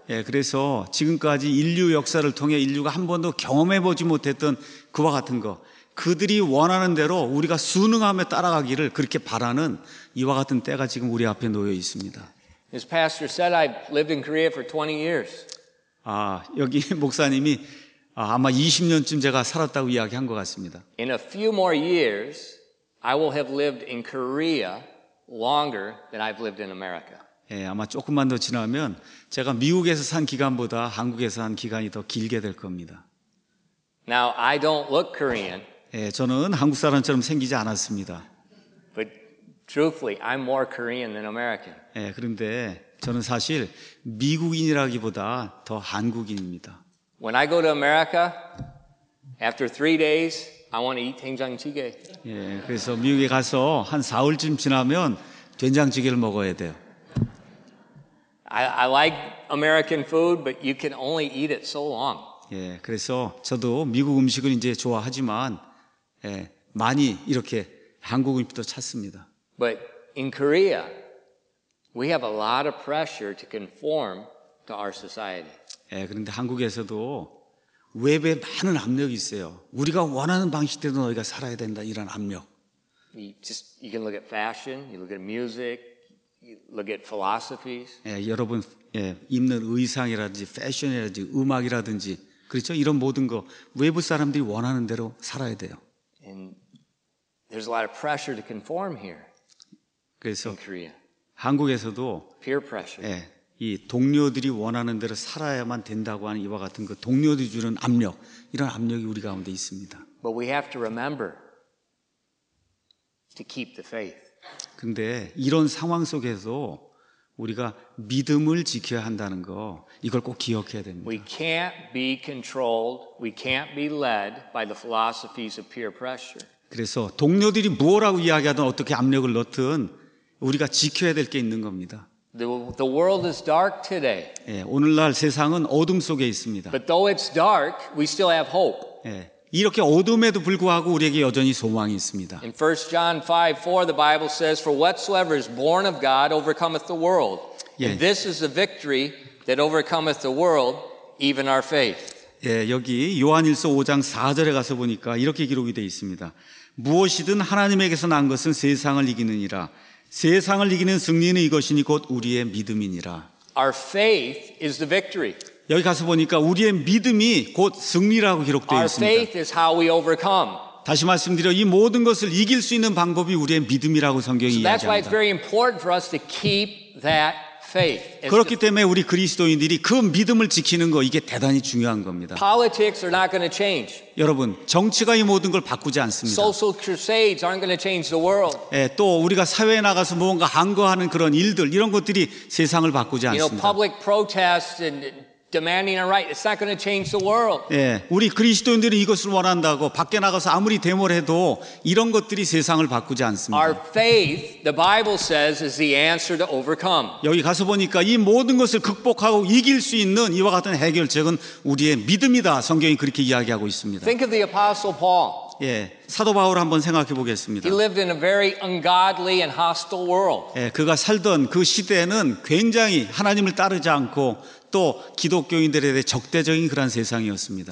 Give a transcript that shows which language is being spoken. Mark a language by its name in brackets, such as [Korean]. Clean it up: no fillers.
[Korean] 예, 그래서 지금까지 인류 역사를 통해 인류가 한 번도 경험해 보지 못했던 그와 같은 거 그들이 원하는 대로 우리가 순응함에 따라가기를 그렇게 바라는 이와 같은 때가 지금 우리 앞에 놓여 있습니다. [English] His pastor said I lived in Korea for 20 years. [Korean] 아, 여기 목사님이 아마 20년쯤 제가 살았다고 이야기한 것 같습니다. [English] In a few more years I will have lived in Korea longer than I've lived in America. [Korean] 예, 아마 조금만 더 지나면 제가 미국에서 산 기간보다 한국에서 산 기간이 더 길게 될 겁니다. [English] Now I don't look Korean. [Korean] 예, 저는 한국 사람처럼 생기지 않았습니다. [English] But truthfully, I'm more Korean than American. [Korean] 예, 그런데 저는 사실 미국인이라기보다 더 한국인입니다. [English] When I go to America, after 3 days, I want to eat 된장찌개. [Korean] 예, 그래서 미국에 가서 한 사흘쯤 지나면 된장찌개를 먹어야 돼요. [English] I like American food, but you can only eat it so long. [Korean] 예, 그래서 저도 미국 음식을 이제 좋아하지만 예, 많이 이렇게 한국 음식도 찾습니다. [English] But in Korea, we have a lot of pressure to conform to our society. [Korean] 예, 그런데 한국에서도 외부에 많은 압력이 있어요. 우리가 원하는 방식대로 너희가 살아야 된다 이런 압력. [English] You can look at fashion, you look at music, you look at philosophies. [Korean] 예, 여러분 예, 입는 의상이라든지 패션이라든지 음악이라든지 그렇죠? 이런 모든 거 외부 사람들이 원하는 대로 살아야 돼요. [English] And there's a lot of pressure to conform here. [Korean] 그래서 [English] in Korea. [Korean] 한국에서도 [English] peer pressure. [Korean] 예, 이 동료들이 원하는 대로 살아야만 된다고 하는 이와 같은 그 동료들이 주는 압력, 이런 압력이 우리 가운데 있습니다. [English] But we have to remember to keep the faith. [Korean] 근데 이런 상황 속에서 우리가 믿음을 지켜야 한다는 거 이걸 꼭 기억해야 됩니다. [English] We can't be controlled. We can't be led by the philosophies of peer pressure. [Korean] 그래서 동료들이 뭐라고 이야기하든 어떻게 압력을 넣든 우리가 지켜야 될 게 있는 겁니다. [English] The world is dark today. [Korean] 예, 오늘날 세상은 어둠 속에 있습니다. [English] But though it's dark, we still have hope. 예. [Korean] 이렇게 어둠에도 불구하고 우리에게 여전히 소망이 있습니다. [English] In 1 John 5:4 the Bible says for whatsoever is born of God overcometh the world. And this is the victory that overcometh the world, even our faith. [Korean] 예, 여기 요한일서 5장 4절에 가서 보니까 이렇게 기록이 돼 있습니다. 무엇이든 하나님에게서 난 것은 세상을 이기느니라. 세상을 이기는 승리는 이것이니 곧 우리의 믿음이니라. [English] Our faith is the victory. [Korean] 여기 가서 보니까 우리의 믿음이 곧 승리라고 기록되어 있습니다. [English] Our faith is how we overcome. [Korean] 다시 말씀드려 이 모든 것을 이길 수 있는 방법이 우리의 믿음이라고 성경이 [English] so that's [Korean] 이야기합니다. [English] Why it's very important for us to keep that faith. [Korean] 그렇기 때문에 우리 그리스도인들이 그 믿음을 지키는 거 이게 대단히 중요한 겁니다. [English] Politics are not going to change. [Korean] 여러분, 정치가 이 모든 걸 바꾸지 않습니다. [English] Social crusades aren't going to change the world. [Korean] 예, 또 우리가 사회에 나가서 뭔가 항거하는 그런 일들 이런 것들이 세상을 바꾸지 않습니다. [English] You know, public protests and demanding a right, it's not going to change the world. [Korean] 예, 우리 그리스도인들이 이것을 원한다고 밖에 나가서 아무리 데모를 해도 이런 것들이 세상을 바꾸지 않습니다. [English] Our faith, the Bible says, is the answer to overcome. [Korean] 여기 가서 보니까 이 모든 것을 극복하고 이길 수 있는 이와 같은 해결책은 우리의 믿음이다. 성경이 그렇게 이야기하고 있습니다. [English] Think of the Apostle Paul. [Korean] 예, 사도 바울 한번 생각해 보겠습니다. [English] He lived in a very ungodly and hostile world. [Korean] 예, 그가 살던 그 시대에는 굉장히 하나님을 따르지 않고 또 기독교인들에 대해 적대적인 그런 세상이었습니다.